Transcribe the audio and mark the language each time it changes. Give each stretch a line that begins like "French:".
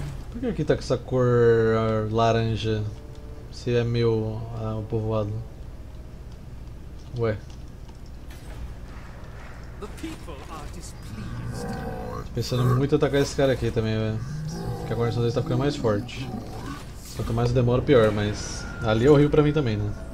Portuguese: Por que aqui tá com essa cor laranja? Se é meu povoado.
English: Ué. The people are displeased.
Portuguese: Pensando muito em atacar esse cara aqui também, velho. Porque a guarnição dele tá ficando mais forte. Quanto mais demora, pior, mas ali é horrível pra mim também, né?